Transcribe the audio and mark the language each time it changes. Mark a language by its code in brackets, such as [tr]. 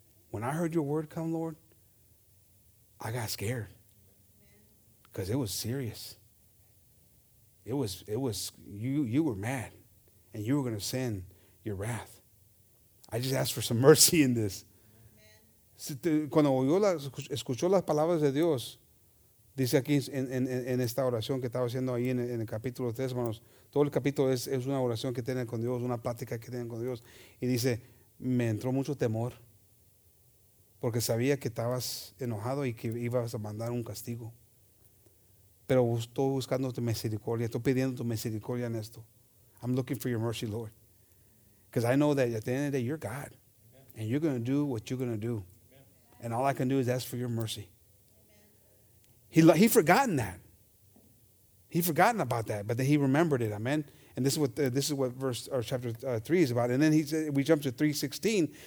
[en] When I heard your word come, Lord, I got scared. Because it was serious. It was you were mad. And you were going to send your wrath. I just asked for some mercy in this. [es] Cuando oyó escuchó las palabras de Dios, dice aquí en esta oración que estaba haciendo ahí en el capítulo 3, hermanos, todo el capítulo es una oración que tienen con Dios, una plática que tienen con Dios. Y dice, me entró mucho temor porque sabía que estabas enojado y que ibas a mandar un castigo. Pero estoy buscando tu misericordia, estoy pidiendo tu misericordia en esto. [en] I'm looking for your mercy, Lord. Because I know that at the end of the day, you're God. Amen. And you're going to do what you're going to do. Amen. And all I can do is ask for your mercy. He forgotten that. He forgotten about that, but then he remembered it. Amen. And this is what verse or chapter 3 is about. And then we jump to 3:16.